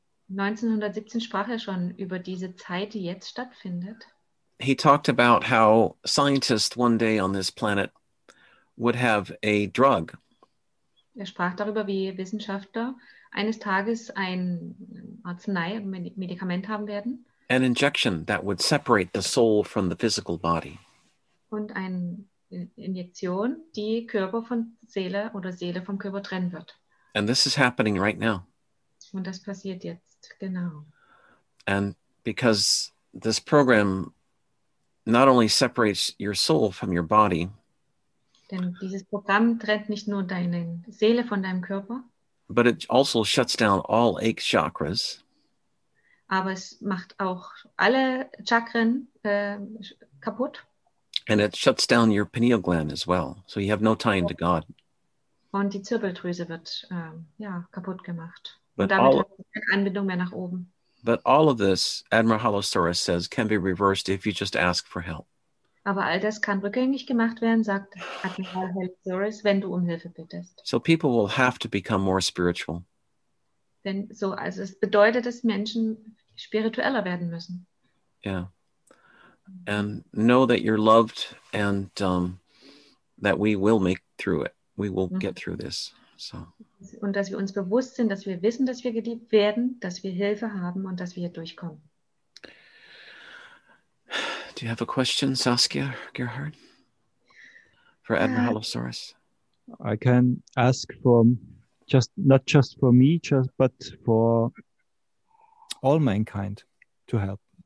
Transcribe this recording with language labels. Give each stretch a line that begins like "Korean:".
German: 1917 sprach er schon über diese Zeit, die jetzt stattfindet.
English: He talked about how scientists one day on this planet would have a drug.
German: Er sprach darüber, wie Wissenschaftler eines Tages ein Arznei, ein Medikament haben werden.
English: An injection that would separate the soul from the physical body.
German: Und ein Injektion, die Körper von Seele oder Seele vom Körper trennen wird.
English: And this is happening right now.
German: Und das passiert jetzt, genau.
English: And because this program not only separates your soul from your body,
German: denn dieses Programm trennt nicht nur deine Seele von deinem Körper,
English: but it also shuts down all eight chakras.
German: Aber es macht auch alle Chakren kaputt.
English: And it shuts down your pineal gland as well. So you have no tie into God.
German: Und die Zirbeldrüse wird kaputt gemacht.
English: But
German: und damit hat keine Anbindung mehr nach oben.
English: But all of this, Admiral Holosaurus says, can be reversed if you just ask for help.
German: Aber all das kann rückgängig gemacht werden, sagt Admiral Holosaurus, wenn du Hilfe bittest.
English: So people will have to become more spiritual.
German: Denn so, also es bedeutet, dass Menschen spiritueller werden müssen.
English: Yeah. And know that you're loved and that we will make through it. We will get through this. So.
German: Und dass wir uns bewusst sind, dass wir wissen, dass wir geliebt werden, dass wir Hilfe haben und dass wir hier durchkommen.
English: Do you have a question, Saskia, Gerhard? For Admiral Holosaurus? I can ask for just not just for me, just but for all mankind to help.